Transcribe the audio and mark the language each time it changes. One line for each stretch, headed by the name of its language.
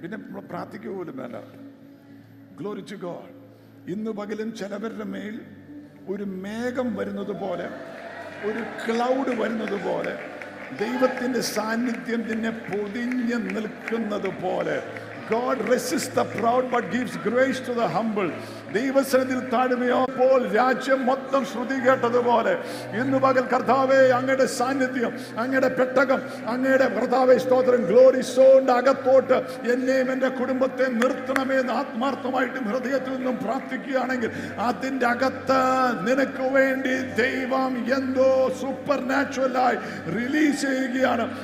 Malayalam: പിന്നെ പ്രാർത്ഥിക്കുക പോലും വേണ്ട.
English: Glory to God.
Malayalam: ഇന്ന് പകലും ചിലവരുടെ മേൽ ഒരു മേഘം വരുന്നത് പോലെ, ഒരു ക്ലൗഡ് വരുന്നത് പോലെ, ദൈവത്തിന്റെ സാന്നിധ്യം തന്നെ പൊതിഞ്ഞു നിൽക്കുന്നത് പോലെ.
English: God resists the proud but gives grace to the humble.
Malayalam: ദൈവസന്നിധിയിൽ താഴ്മയാപ്പോൾ രാജ്യം മൊത്തം ശ്രുതി കേട്ടതുപോലെ ഇന്ന് പകൽ കർത്താവേ അങ്ങയുടെ സാന്നിധ്യം, അങ്ങയുടെ പെട്ടകം, അങ്ങയുടെ കർത്താവേ സ്തോത്രം ഗ്ലോറി സോണിന്റെ അകത്തോട്ട് എന്നെയും എന്റെ കുടുംബത്തെ നിർത്തണമേ എന്ന് ആത്മാർത്ഥമായിട്ടും ഹൃദയത്തിൽ നിന്നും പ്രാർത്ഥിക്കുകയാണെങ്കിൽ അതിന്റെ അകത്ത് നിനക്ക് വേണ്ടി ദൈവം എന്തോ സൂപ്പർ നാച്ചുറലായി റിലീസ് ചെയ്യുകയാണ്.